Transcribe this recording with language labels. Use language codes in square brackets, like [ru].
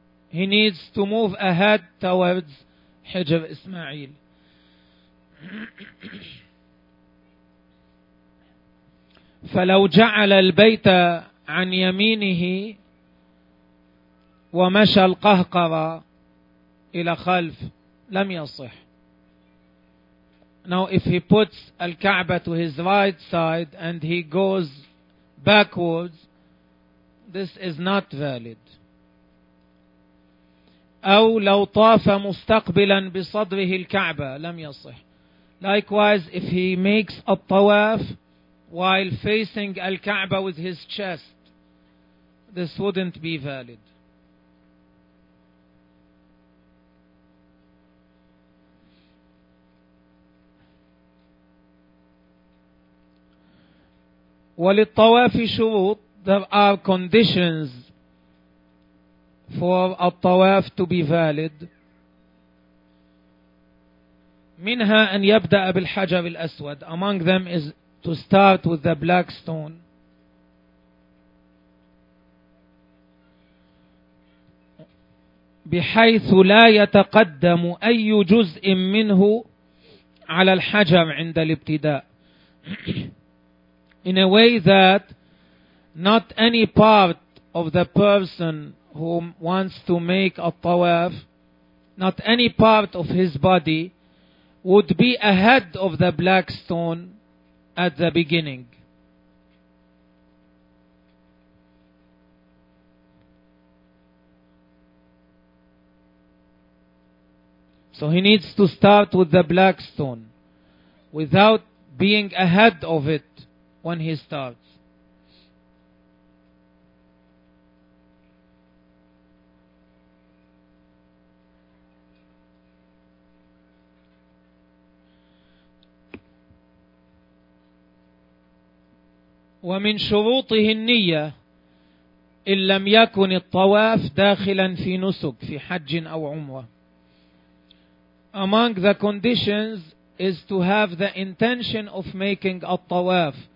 [en] He needs to move ahead towards حجر إسماعيل. [ar] فلو جعل البيت عن يمينه ومشى القهقرة إلى خلف لم يصح. [en] Now if he puts الكعبة to his right side and he goes backwards, this is not valid. [ar] أو لو طاف مستقبلا بصدره الكعبة لم يصح. [en] Likewise, if he makes a tawaf while facing الكعبة with his chest, this wouldn't be valid. [ar] وللطواف شروط. [en] There are conditions for al-tawaf to be valid. [ar] منها أن يبدأ بالحجر الأسود. [en] Among them is to start with the black stone. [ar] بحيث لا يتقدم أي جزء منه على الحجر عند الابتداء. [en] In a way that not any part of the person who wants to make a tawaf, not any part of his body would be ahead of the black stone at the beginning. So he needs to start with the black stone without being ahead of it when he starts. [ar] ومن شروطه النية إن لم يكن الطواف داخلا في نسك في حج أو عمرة. [en] Among the conditions is to have the intention of making a tawaf.